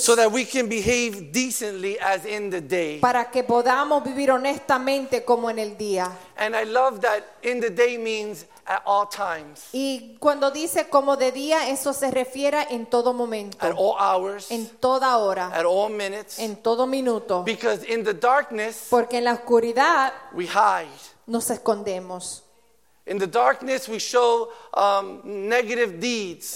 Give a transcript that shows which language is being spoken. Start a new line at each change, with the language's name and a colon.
English: So that we can behave decently as in the day.
Spanish: Para que podamos vivir honestamente como en el día.
English: And I love that in the day means at all times.
Spanish: Y cuando dice como de día, eso se refiere en todo momento.
English: At all hours.
Spanish: En toda hora.
English: At all minutes.
Spanish: En todo minuto.
English: Because in the darkness.
Spanish: Porque en la oscuridad.
English: We hide.
Spanish: Nos escondemos.
English: In the darkness we show negative deeds.